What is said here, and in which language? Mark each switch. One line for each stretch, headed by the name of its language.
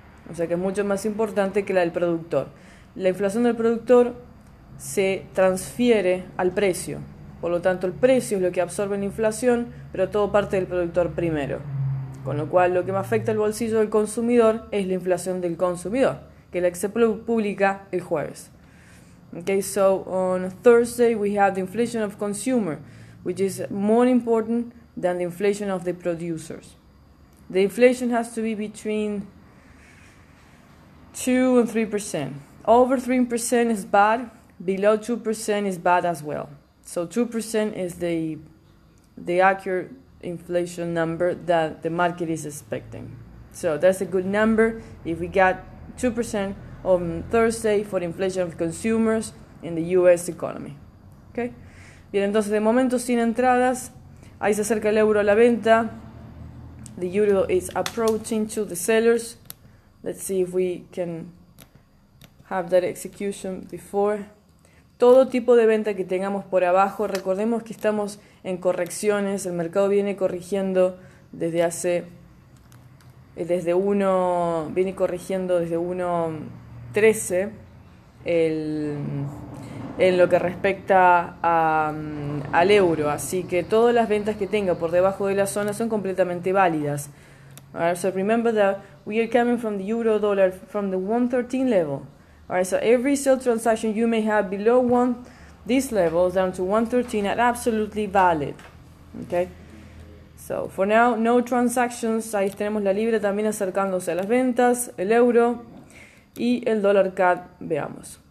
Spanish: O sea que es mucho más importante que la del productor. La inflación del productor se transfiere al precio. Por lo tanto, el precio es lo que absorbe la inflación, pero todo parte del productor primero. Con lo cual, lo que más afecta al bolsillo del consumidor es la inflación del consumidor, que la que se publica el jueves.
English: Okay, so on Thursday we have the inflation of consumer, which is more important than the inflation of the producers. The inflation has to be between 2 and 3%. Over 3% is bad, below 2% is bad as well. So 2% is the accurate inflation number that the market is expecting. So that's a good number if we got 2% on Thursday for inflation of consumers in the US economy.
Spanish: Okay. Bien, entonces de momento sin entradas. Ahí se acerca el euro a la venta.
English: The euro is approaching to the sellers. Let's see if we can have that execution before.
Spanish: Todo tipo de venta que tengamos por abajo, recordemos que estamos en correcciones. El mercado viene corrigiendo desde hace... viene corrigiendo desde 1.13 en lo que respecta al euro. Así que todas las ventas que tenga por debajo de la zona son completamente válidas.
English: Alright, so remember that we are coming from the euro dollar from the 1.13 level. Alright, so every sale transaction you may have below one this level down to 1.13 are absolutely valid. Okay. So, for now, no transactions.
Spanish: Ahí tenemos la libra también acercándose a las ventas, el euro y el dólar CAD, veamos.